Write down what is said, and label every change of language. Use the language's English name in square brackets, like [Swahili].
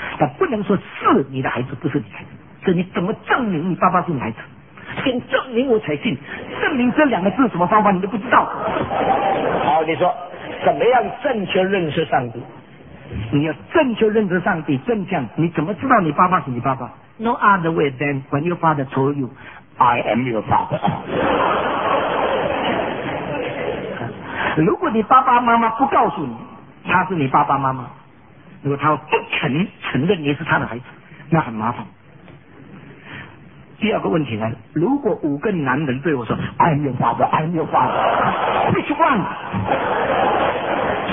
[Chinese] 那不能说是你的孩子不是你的孩子，是你怎么证明你爸爸是你的孩子？先证明我才信。证明这两个字什么方法你都不知道。好，你说怎么样正确认识上帝？你要正确认识上帝，正向，你怎么知道你爸爸是你爸爸？ [English] No other way than when your father told you I am your father。 [Chinese] 如果你爸爸妈妈不告诉你他是你爸爸妈妈，如果他不肯承认你是他的孩子，那很麻烦。第二个问题来了，如果五个男人对我说 [English] I am your father， I am your father， which one？